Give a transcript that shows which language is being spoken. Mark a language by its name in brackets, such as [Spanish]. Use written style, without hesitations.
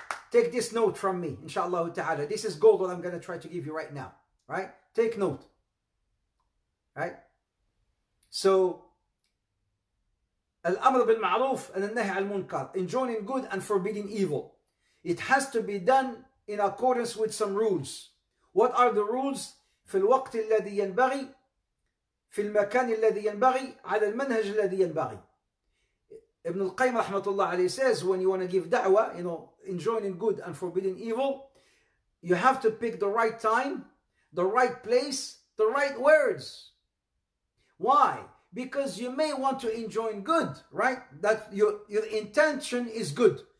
[English] Take this note from me, inshallah ta'ala. This is gold that I'm going to try to give you right now. Right? Take note. Right? So, al-amr bil-ma'ruf and al-nahy al-munkar. Enjoining good and forbidding evil. It has to be done in accordance with some rules. What are the rules? [Arabic] في الوقت الذي ينبغي في المكان الذي ينبغي على المنهج الذي ينبغي. [English] Ibn al-Qayyim rahmatullah alayhi says, when you want to give da'wah, you know, enjoining good and forbidding evil, you have to pick the right time, the right place, the right words. Why? Because you may want to enjoin good, right? That your intention is good.